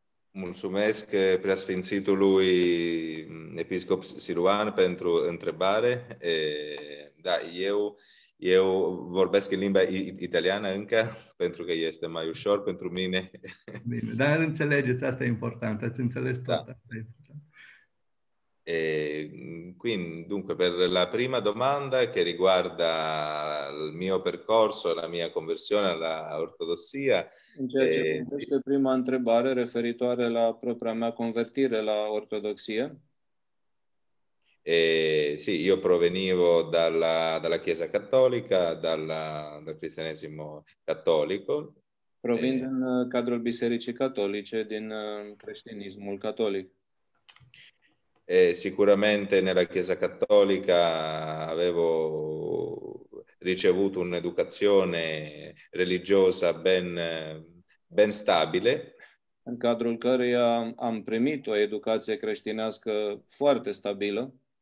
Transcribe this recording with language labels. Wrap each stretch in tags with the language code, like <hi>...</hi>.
<ro>Mulțumesc preasfințitului episcop Siluan pentru întrebare. Da, eu vorbesc în limba italiană încă, pentru că este mai ușor pentru mine. Bine, dar înțelegeți, asta e important, ați înțeles tot. Da. Asta e important.</ro> <it>E, quindi, dunque, per la prima domanda che riguarda il mio percorso, la mia conversione alla ortodossia.</it> <ro>In ceea ce privește prima întrebare referitoare la propria mea convertire la ortodossia.</ro> <it>Sì, io provenivo dalla Chiesa Cattolica, dal Cristianesimo Cattolico.</it> <ro>Provin din cadrul Bisericii Catolice, din creștinismul catolic.</ro> <it>Sicuramente nella Chiesa Cattolica avevo ricevuto un'educazione religiosa ben stabile.</it> <ro>În cadrul căreia am primit o educație creștinească foarte stabilă.</ro>